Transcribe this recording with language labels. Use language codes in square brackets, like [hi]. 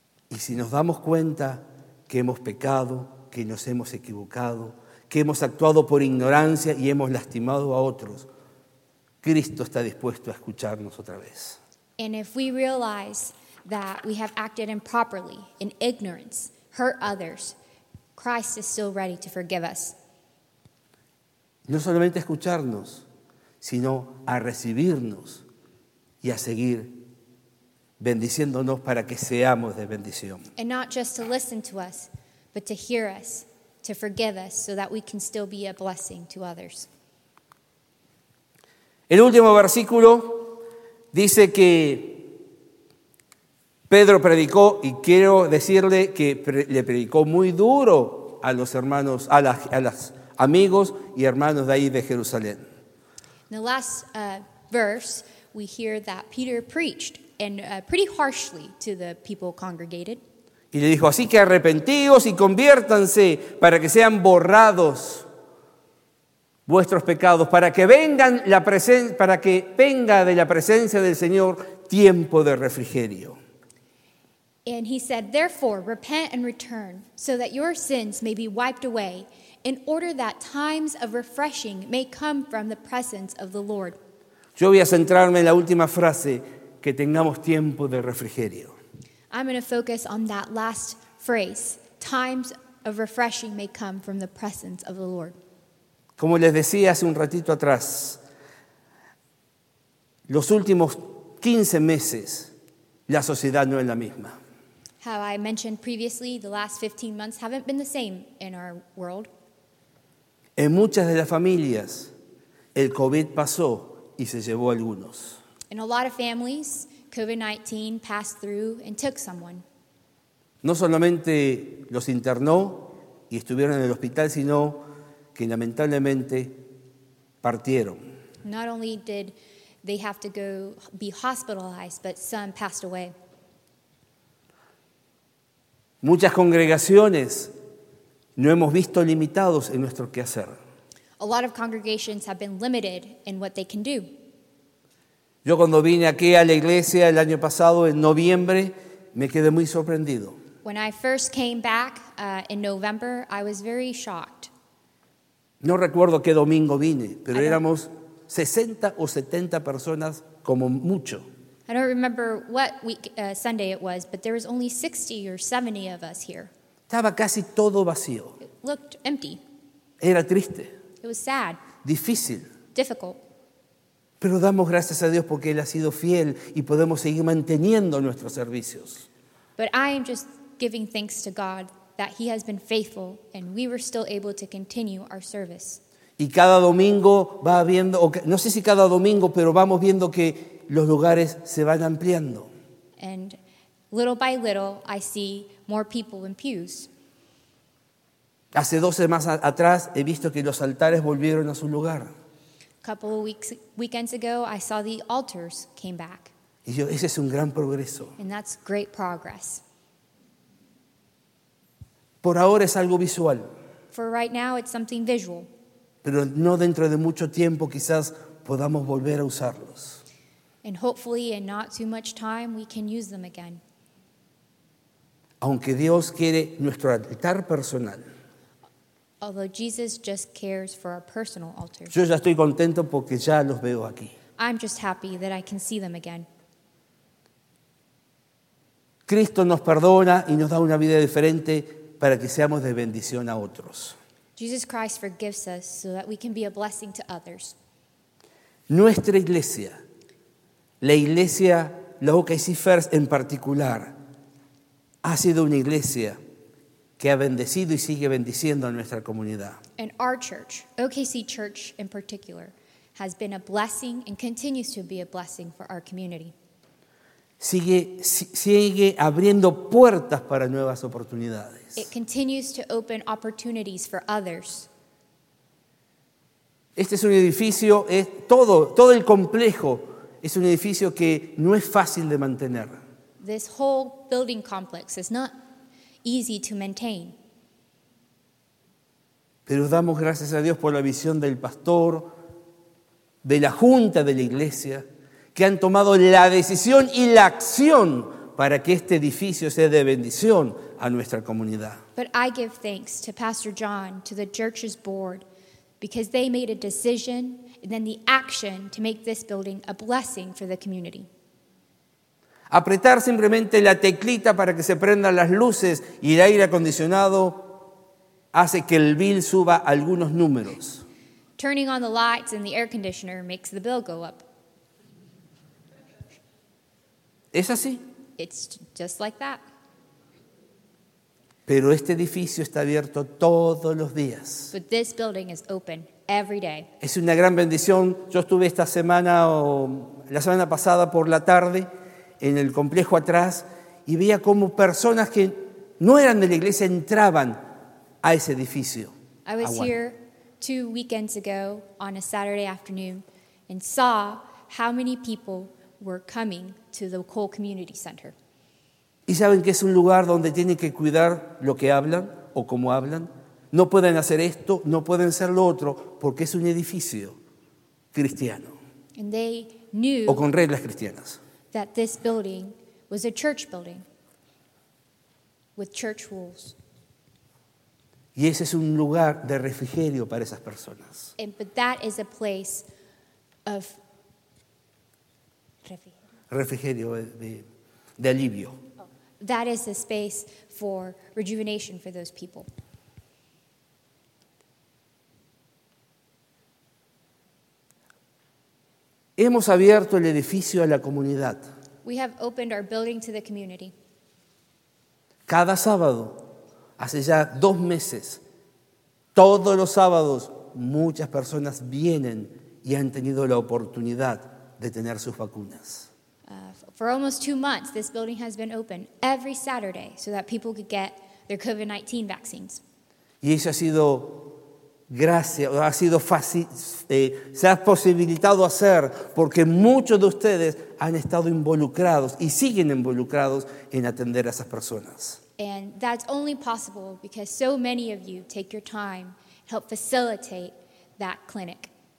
[es] Y si nos damos cuenta que hemos pecado, que nos hemos equivocado, que hemos actuado por ignorancia y hemos lastimado a otros, Cristo está dispuesto a escucharnos otra vez. [en] And if we realize that we have acted improperly, in ignorance, hurt others, Christ is still ready to forgive us. [es] No solamente escucharnos, sino a recibirnos y a seguir bendiciéndonos para que seamos de bendición. [en] And not just to listen to us, but to hear us, to forgive us, so that we can still be a blessing to others. [es] El último versículo dice que Pedro predicó, y quiero decirle que le predicó muy duro a los hermanos, a los amigos y hermanos de ahí de Jerusalén. [en] In the last verse, we hear that Peter preached and pretty harshly to the people congregated. [es] Y le dijo, así que arrepentíos y conviértanse para que sean borrados vuestros pecados, para que venga de la presencia del Señor tiempo de refrigerio. [en] And he said, therefore, repent and return, so that your sins may be wiped away, in order that times of refreshing may come from the presence of the Lord. [es] Yo voy a centrarme en la última frase, que tengamos tiempo de refrigerio. [en] I'm going to focus on that last phrase, times of refreshing may come from the presence of the Lord. [es] Como les decía hace un ratito atrás, los últimos 15 meses, la sociedad no es la misma. [en] How I mentioned previously, the last 15 months haven't been the same in our world. [es] En muchas de las familias, el COVID pasó y se llevó a algunos. [en] In a lot of families, COVID-19 passed through and took someone. [es] No solamente los internó y estuvieron en el hospital, sino que lamentablemente partieron. [en] Not only did they have to go be hospitalized, but some passed away. [es] Muchas congregaciones no hemos visto limitados en nuestro quehacer. [en] A lot of congregations have been limited in what they can do. [es] Yo cuando vine aquí a la iglesia el año pasado, en noviembre, me quedé muy sorprendido. [en] When I first came back in November, I was very shocked. [es] No recuerdo qué domingo vine, pero éramos 60 o 70 personas como mucho. [en] I don't remember what week Sunday it was, but there was only 60 or 70 of us here. [es] Estaba casi todo vacío. [en] It looked empty. [es] Era triste. [en] It was sad. [es] Difícil. [en] Difficult. [es] Pero damos gracias a Dios porque Él ha sido fiel y podemos seguir manteniendo nuestros servicios. [en] But I am just giving thanks to God that He has been faithful and we were still able to continue our service. [es] Y cada domingo va viendo, no sé si cada domingo, pero vamos viendo que los lugares se van ampliando. [en] And little by little, I see more people in pews. [es] Hace 12 más atrás, he visto que los altares volvieron a su lugar. [en] A couple of weekends ago, I saw the altars came back. [es] Y yo, ese es un gran progreso. [en] And that's great progress. [es] Por ahora es algo visual. [en] For right now, it's something visual. [es] Pero no dentro de mucho tiempo, quizás podamos volver a usarlos. [en] And hopefully in not too much time we can use them again. [es] Aunque Dios quiere nuestro altar personal. [en] Although Jesus just cares for our personal altar. [es] Yo ya estoy contento porque ya los veo aquí. [en] I'm just happy that I can see them again. [es] Cristo nos perdona y nos da una vida diferente para que seamos de bendición a otros. [en] Jesus Christ forgives us so that we can be a blessing to others. [es] Nuestra iglesia, la iglesia, la OKC First en particular, ha sido una iglesia que ha bendecido y sigue bendiciendo a nuestra comunidad. [en] And our church, OKC Church in particular, has been a blessing and continues to be a blessing for our community. [es] Sigue abriendo puertas para nuevas oportunidades. [en] It continues to open opportunities for others. [es] Este es un edificio, es todo el complejo. Es un edificio que no es fácil de mantener. [en] this whole building complex is not easy to maintain. [es] Pero damos gracias a Dios por la visión del pastor, de la junta de la iglesia, que han tomado la decisión y la acción para que este edificio sea de bendición a nuestra comunidad. [en] But I give thanks to Pastor John, to the church's board, because they made a decision and then the action to make this building a blessing for the community. [es] Apretar simplemente la teclita para que se prendan las luces y el aire acondicionado hace que el bill suba algunos números. [en] Turning on the lights and the air conditioner makes the bill go up. [es] ¿Es así? [en] It's just like that. [es] Pero este edificio está abierto todos los días. [en] But this building is open every day. [es] Es una gran bendición. Yo estuve esta semana o la semana pasada por la tarde en el complejo atrás y veía cómo personas que no eran de la iglesia entraban a ese edificio. [en] I was here two weekends ago on a Saturday afternoon and saw how many people were coming to the Cole Community Center. [es] ¿Y saben que es un lugar donde tienen que cuidar lo que hablan o cómo hablan? No pueden hacer esto, no pueden hacer lo otro, porque es un edificio cristiano. [en] And they knew [es] o con reglas cristianas. [en] That this building was a church building with church rules. [es] Y ese es un lugar de refrigerio para esas personas. [en] And, but that is a place of [es] refrigerio de alivio. [en] That is a space for rejuvenation for those people. [es] Hemos abierto el edificio a la comunidad. [en] We have opened our building to the community. [es] Cada sábado, hace ya dos meses, todos los sábados, muchas personas vienen y han tenido la oportunidad de tener sus vacunas. [en] For almost 2 months, this building has been open every Saturday so that people could get their COVID-19 vaccines. [es] Y eso ha sido gracia, ha sido fácil, se ha posibilitado hacer porque muchos de ustedes han estado involucrados y siguen involucrados en atender a esas personas. [en] And that's only possible because so many of you take your time to help facilitate that clinic.